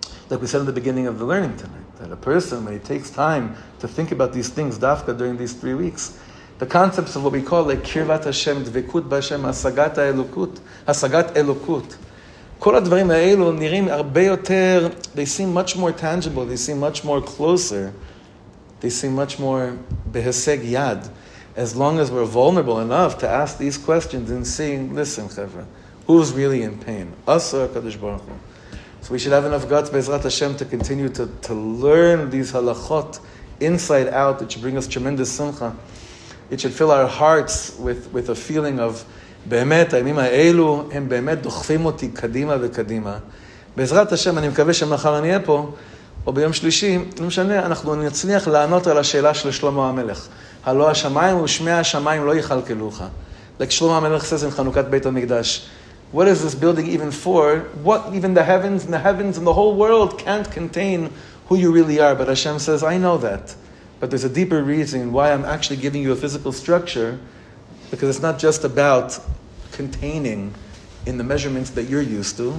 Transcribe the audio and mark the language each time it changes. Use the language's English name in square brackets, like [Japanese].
[English] Like we said in the beginning of the learning tonight, that a person, when he takes time to think about these things, dafka, during these 3 weeks, the concepts of what we call like kirvat Hashem, dvekut b'Hashem, hasagat ha-elukut, hasagat elukut, [Hebrew] כל הדברים האלו נראים הרבה יותר, [English] they seem much more tangible, they seem much more closer, they seem much more בהישג יד, as long as we're vulnerable enough to ask these questions and say, listen, חבר'ה, who's really in pain? Us or HaKadosh Baruch Hu? So we should have enough guts, בעזרת Hashem, to continue to learn these halachot inside out. It should bring us tremendous simcha. It should fill our hearts with a feeling of [Hebrew] באמת, הימים האלו הם באמת דוחפים אותי קדימה וקדימה. בעזרת השם, אני מקווה שמחר אני אהיה פה, או ביום שלישי, לא משנה, אנחנו נצליח לענות על השאלה של שלמה המלך. הלא השמיים ושמי השמיים לא יחלקלוך. [English] Like שלמה המלך says in חנוכת בית המקדש, what is this building even for? What even the heavens and the whole world can't contain who you really are. But Hashem says, I know that. But there's a deeper reason why I'm actually giving you a physical structure, because it's not just about containing in the measurements that you're used to.